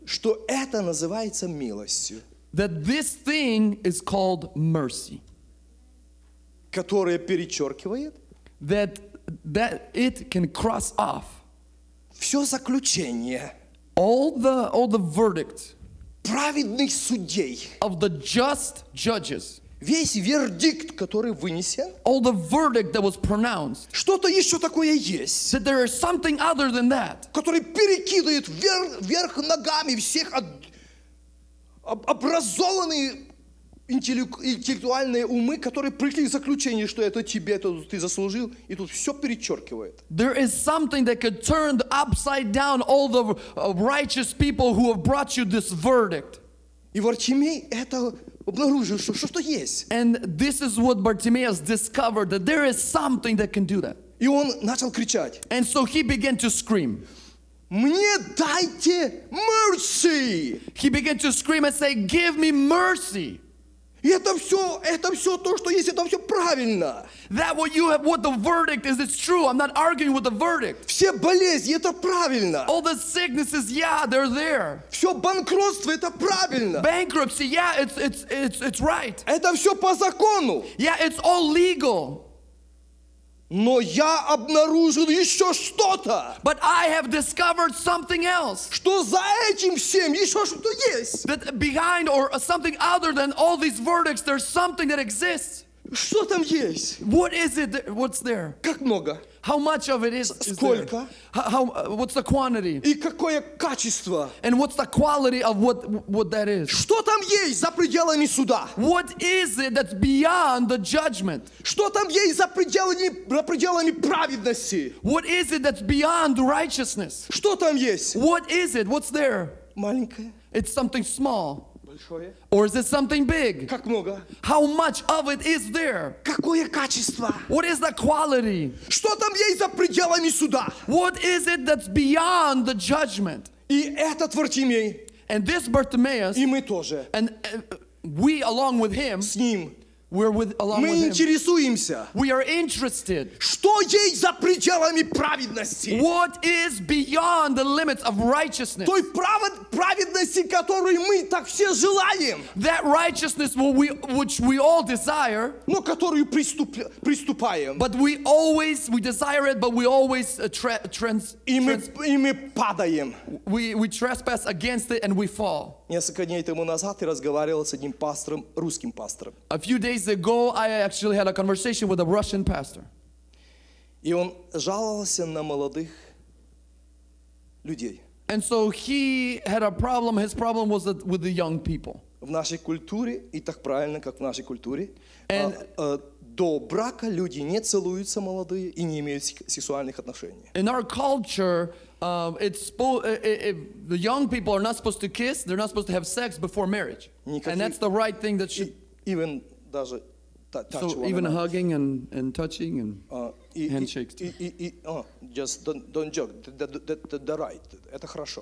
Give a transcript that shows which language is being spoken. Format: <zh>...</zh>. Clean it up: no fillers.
<ru>Что это называется милостью.</ru> <en>That this thing is called mercy.</en> <ru>Которое перечеркивает.</ru> <en>That it can cross off.</en> <ru>Все заключение.</ru> <en>All the verdict.</en> <ru>Праведных судей.</ru> <en>Of the just judges.</en> <ru>Весь вердикт, который вынесен.</ru> <en>All the verdict that was pronounced.</en> <ru>Что-то еще такое есть.</ru> <en>That there is something other than that.</en> <ru>Который перекидывает вверх ногами всех образованные интеллектуальные умы, которые пришли к заключению, что это тебе, это ты заслужил, и тут все перечеркивает.</ru> <en>There is something that could turn upside down all the righteous people who have brought you this verdict.</en> <ru>И Бартимей это обнаружил, что что-то есть.</ru> <en>And this is what Bartimaeus discovered, that there is something that can do that.</en> <ru>И он начал кричать.</ru> <en>And so he began to scream.</en> <ru>Мне дайте mercy!</ru> <en>He began to scream and say, give me mercy!</en> <ru>И это все то, что есть, это все правильно.</ru> <en>That what you have, what the verdict is, it's true. I'm not arguing with the verdict.</en> <ru>Все болезни, это правильно.</ru> <en>All the sicknesses, yeah, they're there.</en> <ru>Все банкротство, это правильно.</ru> <en>Bankruptcy, yeah, it's right.</en> <ru>Это все по закону.</ru> <en>Yeah, it's all legal.</en> <ru>Но я обнаружил еще что-то.</ru> <en>But I have discovered something else.</en> <ru>Что за этим всем еще что-то есть.</ru> <en>That behind or something other than all these verdicts, there's something that exists.</en> <ru>Что там есть?</ru> <en>What is it? What's there?</en> <ru>Как много?</ru> <en>How much of it is there?</en> <ru>Сколько?</ru> <en>How, what's the quantity?</en> <ru>И какое качество?</ru> <en>And what's the quality of what that is?</en> <ru>Что там есть за пределами суда?</ru> <en>What is it that's beyond the judgment?</en> <ru>Что там есть за пределами праведности?</ru> <en>What is it that's beyond righteousness?</en> <ru>Что там есть?</ru> <en>What is it? What's there?</en> <ru>Маленькое.</ru> <en>It's something small.</en> <ru>Большое.</ru> <en>Or is it something big?</en> <ru>Как много?</ru> <en>How much of it is there?</en> <ru>Какое качество?</ru> <en>What is the quality?</en> <ru>Что там есть за пределами суда?</ru> <en>What is it that's beyond the judgment?</en> <ru>И этот Бартимей.</ru> <en>And this Bartimaeus.</en> <ru>И мы тоже.</ru> <en>And we along with him.</en> <ru>С ним.</ru> <en>We're with along</en> <ru>мы</ru> <en>with him.</en> <ru>Мы интересуемся.</ru> <en>We are interested.</en> <ru>Что есть за пределами праведности?</ru> <en>What is beyond the limits of righteousness?</en> <ru>Той праведности, которую мы так все желаем.</ru> <en>That righteousness which we all desire.</en> <ru>Но которую приступаем.</ru> <en>But we desire it, but we always</en> <ru>и мы падаем.</ru> <en>We trespass against it and we fall.</en> <ru>Несколько дней тому назад я разговаривал с одним пастором, русским пастором.</ru> <en>A few days ago, I actually had a conversation with a Russian pastor.</en> <ru>И он жаловался на молодых людей.</ru> <en>And so he had a problem. His problem was with the young people.</en> <uk>в нашій культурі, і так правильно, як в нашій культурі, до брака люди не цілуються молодые і не мають сексуальних отношений.</uk> <en>In our culture, the young people are not supposed to kiss, they're not supposed to have sex before marriage.</en> <ru>Никакий,</ru> <en>and that's the right thing that should... Even даже so even hugging and touching and handshakes. Just don't joke. The right. Это хорошо.</en>